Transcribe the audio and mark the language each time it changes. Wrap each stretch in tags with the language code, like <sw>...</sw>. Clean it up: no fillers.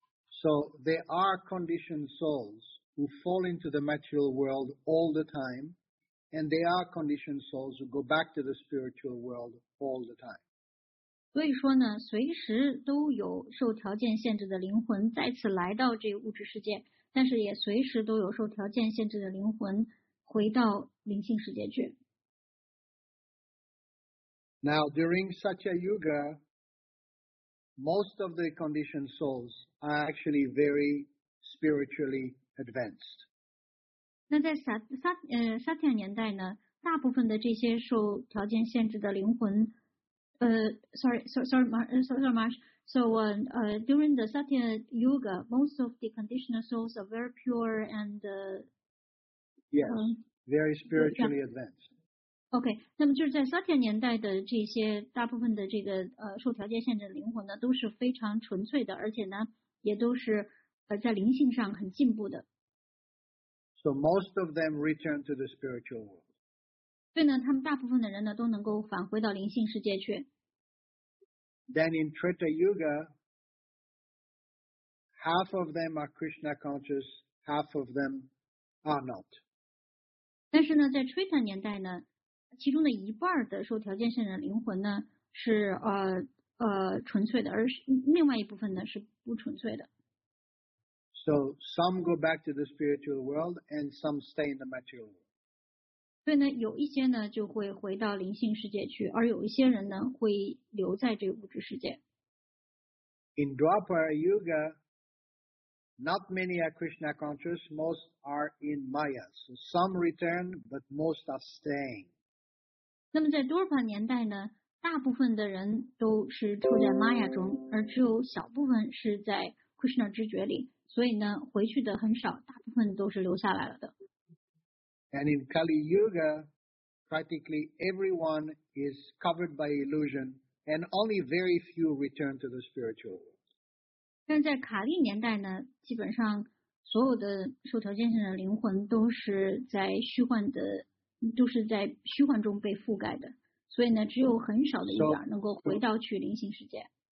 <en>So there are conditioned souls who fall into the material world all the time, and there are conditioned souls who go back to the spiritual world all the time.</en> <zh>所以说呢，随时都有受条件限制的灵魂再次来到这个物质世界，但是也随时都有受条件限制的灵魂回到灵性世界去。</zh> <en>Now, during such a yuga, most of the conditioned souls are actually very spiritually advanced.</en> <zh>那在萨提亚年代呢，大部分的这些受条件限制的灵魂，</zh> <en>during the Satya Yuga, most of the conditioned souls are very pure and very spiritually advanced.</en> <zh>Okay, 那么就是在 Satya 年代的这些大部分的这个受条件限制的灵魂呢，都是非常纯粹的，而且呢，也都是在灵性上很进步的。</zh> <en>So most of them return to the spiritual world.</en> <zh>所以呢，他们大部分的人呢，都能够返回到灵性世界去。</zh> <en>Then in Treta Yuga, half of them are Krishna conscious, half of them are not.</en> <zh>但是呢，在 Treta 年代呢，其中的一半的受条件限制的灵魂呢，是纯粹的，而另外一部分呢是不纯粹的。</zh> <en>So some go back to the spiritual world, and some stay in the material world.</en> <zh>所以呢，有一些呢就会回到灵性世界去，而有一些人呢会留在这个物质世界。</zh> <en>In Dwapara Yuga, not many are Krishna conscious, most are in Maya. So some return, but most are staying.</en> <zh>那么在 Dwapara 年代呢，大部分的人都是住在 Maya 中，而只有小部分是在 Krishna 知觉里，所以呢回去的很少，大部分都是留下来了的。</zh> <en>And in Kali Yuga, practically everyone is covered by illusion, and only very few return to the spiritual world.</en> <zh>但在卡利年代呢，基本上所有的受条件限制的灵魂都是在虚幻的，都是在虚幻中被覆盖的。所以呢，只有很少的一点能够回到去灵性世界。</zh>